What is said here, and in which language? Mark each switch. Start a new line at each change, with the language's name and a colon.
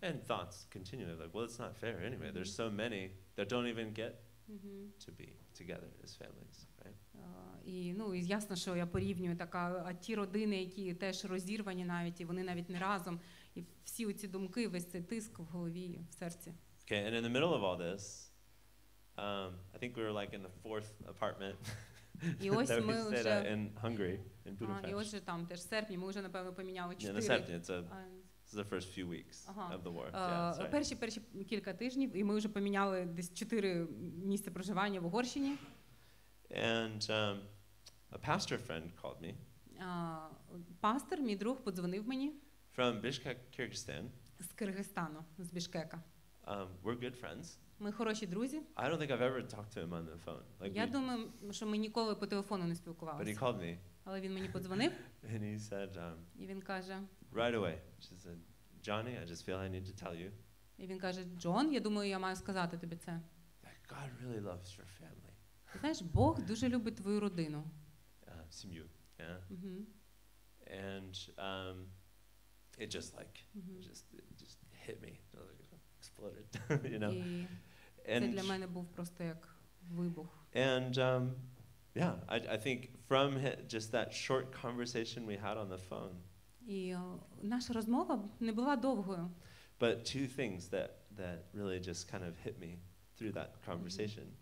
English: And thoughts continue, like, well, it's not fair anyway. Mm-hmm. There's so many that don't even get to be together as families, right?
Ukrainian: І ясно, що я порівнюю така, а ті родини, які теж розірвані навіть, і вони навіть не разом, і всі оці думки, весь цей тиск в голові, в серці.
English: Okay, and in the middle of all this, I think we were like in the fourth apartment that we stayed at in Hungary, in Budapest.
Ukrainian: І ось же там, теж в серпні, ми вже, напевно, поміняли 4.
English: Yeah, in the serpni, this is the first few weeks of the war.
Ukrainian: Перші кілька тижнів, і ми вже поміняли десь 4 місця проживання в Угорщині.
English: And a pastor friend called me.
Ukrainian: Пастор, мій друг, подзвонив мені.
English: From Bishkek, Kyrgyzstan.
Ukrainian: З Киргизстану, з Бішкека.
English: We're good friends.
Ukrainian: Ми хороші друзі.
English: I don't think I've ever talked to him on the phone.
Ukrainian: Я думаю, що ми ніколи по телефону не спілкувалися.
English: But he called me.
Ukrainian: Але він мені подзвонив.
English: And he said,
Ukrainian: і він каже,
English: right away, she said, Johnny, I just feel I need to tell you.
Ukrainian: І він каже, Джон, я думаю, я маю сказати тобі це.
English: That God really loves your family.
Ukrainian: Знаєш, Бог дуже любить твою родину. Сім'ю,
English: yeah?
Ukrainian: Mm-hmm.
English: And it just like, mm-hmm. it just hit me. It exploded, you know?
Ukrainian: And для мене був просто як вибух.
English: And I think from just that short conversation we had on the phone.
Ukrainian: І наша розмова не була довгою.
English: But two things that really just kind of hit me through that conversation.